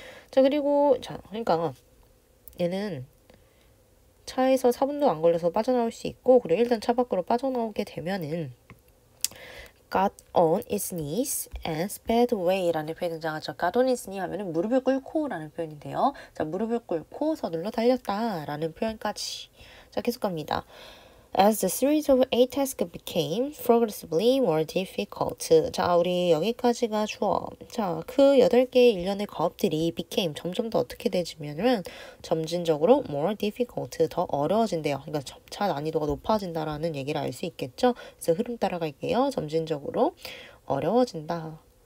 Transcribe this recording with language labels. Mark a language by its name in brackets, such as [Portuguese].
[Korean] 자, 그리고, 자, 그러니까 얘는 차에서 4분도 안 걸려서 빠져나올 수 있고, 그리고 일단 차 밖으로 빠져나오게 되면은 [English] got on his knees and sped away [Korean] 라는 표현이 등장하죠. [English] got on his knee [Korean] 하면은 무릎을 꿇고 라는 표현인데요. 자, 무릎을 꿇고 서둘러 달렸다 라는 표현까지. 자, 계속 갑니다. [English] As the series of eight tasks became progressively more difficult. [Korean] 자, 우리 여기까지가 주어. 자, 그 8개의 일련의 과업들이 became 점점 더 어떻게 되지면은 점진적으로 [English] more difficult, [Korean] 더 어려워진대요. 그러니까 점차 난이도가 높아진다라는 얘기를 알수 있겠죠? 그래서 흐름 따라갈게요. 점진적으로 어려워진다.